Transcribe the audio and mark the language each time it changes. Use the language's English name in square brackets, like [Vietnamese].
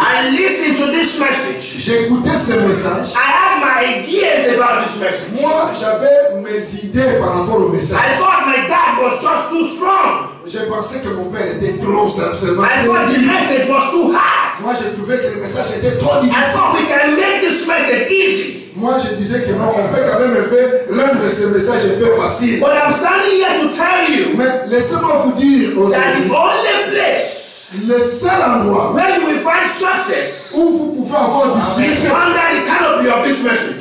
[English] I listened to this message. [French] J'écoutais ce message. [English] I have my ideas about this message. [French] Moi, j'avais mes idées par rapport au message. [English] I thought my dad was just too strong. [French] Je pensais que mon père était trop absolument. [English] I thought the message was too hard. [French] Moi, je trouvais que le message était trop difficile. [English] I thought we can make this message easy. [French] Moi, je disais que non, on peut quand même rendre ce message un peu facile. [English] But I'm standing here to tell you. [French] Mais laissez-moi vous dire aujourd'hui. [English] That the only place. [French] Le seul endroit [English] where you will find success, [French] où vous pouvez avoir du succès, [English] under the canopy of this message.